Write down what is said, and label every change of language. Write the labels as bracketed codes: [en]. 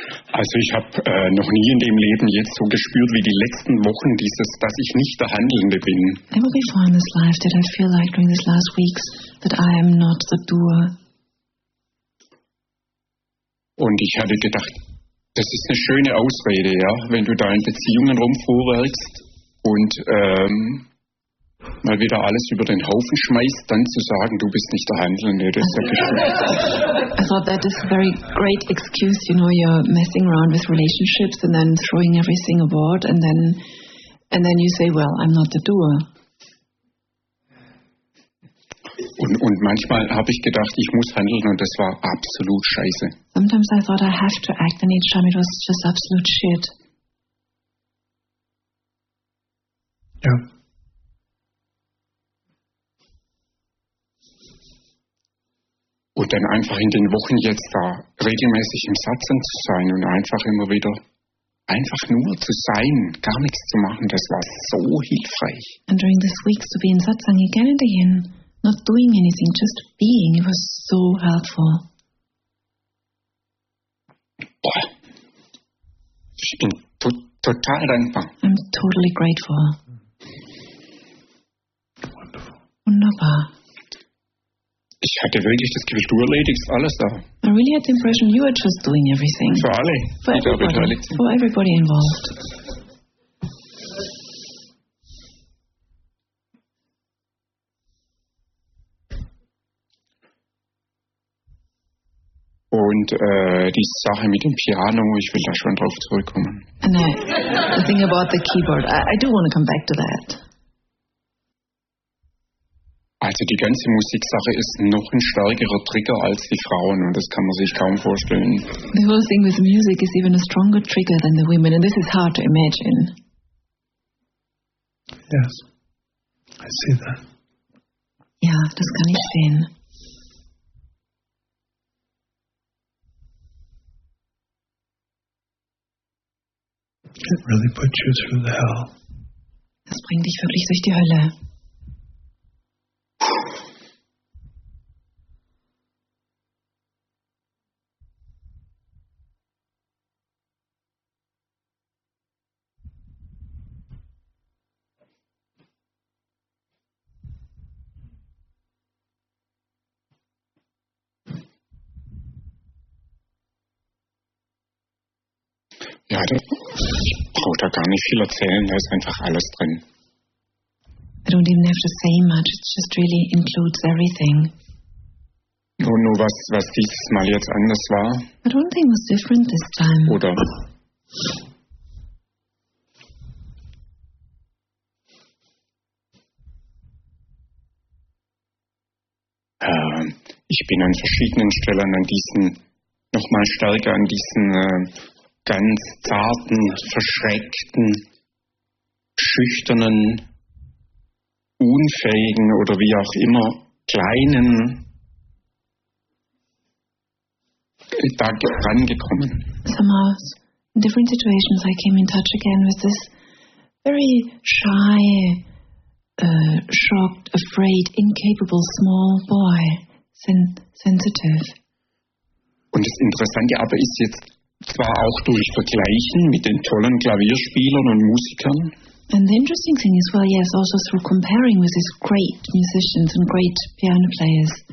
[de] Also ich habe noch nie in dem Leben jetzt so gespürt wie die letzten Wochen dieses, dass ich nicht der Handelnde bin. [en] Never before in this life did I feel like during these last weeks that I am not the doer. [de] Und ich hatte gedacht, das ist eine schöne Ausrede, ja, wenn du da in Beziehungen rumfuhrwerkst und mal wieder alles über den Haufen schmeißt, dann zu sagen, du bist nicht der Handelnde, das ist ja geschmeißt. [en] I thought that is a very great excuse, you know, you're messing around with relationships and then throwing everything aboard and then you say, well, I'm not the doer. [de] Und manchmal habe ich gedacht, ich muss handeln und das war absolut scheiße. [en] Sometimes I thought I have to act and each time it was just absolute shit. [de] Ja. Und dann einfach in den Wochen jetzt da regelmäßig im Satsen zu sein und einfach immer wieder einfach nur zu sein, gar nichts zu machen, das war so hilfreich. [en] And during these weeks to be in Satsang again and again, not doing anything, just being, it was so helpful. [de] Boah. Ich bin total dankbar. [en] I'm totally grateful. Wonderful. [de] Wunderbar. Ich hatte wirklich das Gefühl, du erledigst alles da. [en] I really had the impression you were just doing everything. [de] Für alle, [en] for [de] die [en] everybody, [de] da beteiligt sind. [en] For everybody involved. [de] Und die Sache mit dem Piano, ich will da schon drauf zurückkommen. [en] And the thing about the keyboard, I do want to come back to that. [de] Also die ganze Musiksache ist noch ein stärkerer Trigger als die Frauen und das kann man sich kaum vorstellen. [en] The whole thing with music is even a stronger trigger than the women and this is hard to imagine. Yes, I see that. [de] Ja, das kann ich sehen. [en] It really puts you through the hell. [de] Das bringt dich wirklich durch die Hölle. Ja, ich brauche da gar nicht viel erzählen, da ist einfach alles drin. [en] I don't even have to say much, it just really includes everything. [de] Nur was dieses Mal jetzt anders war. [en] I don't think it was different this time. [de] Oder? Ich bin an verschiedenen Stellen an diesen, nochmal stärker an diesen ganz zarten, verschreckten, schüchternen, unfähigen oder wie auch immer kleinen da rangekommen. [en] Somehow, in different situations, I came in touch again with this very shy, shocked, afraid, incapable small boy, sensitive. [de] Und das Interessante aber ist jetzt, zwar auch durch Vergleichen mit den tollen Klavierspielern und Musikern. [en] And the interesting thing is, well, yes, also through comparing with these great musicians and great piano players.